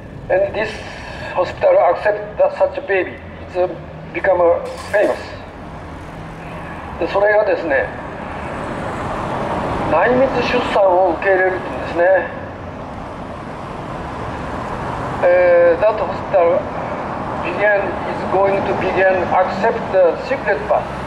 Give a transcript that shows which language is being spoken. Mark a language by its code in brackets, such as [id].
[en] And this hospital accept that such a baby. It's become famous. [ja] で、それがですね、内密出産を受け入れるというんですね。 [en] That hospital began, is going to begin accept the secret birth.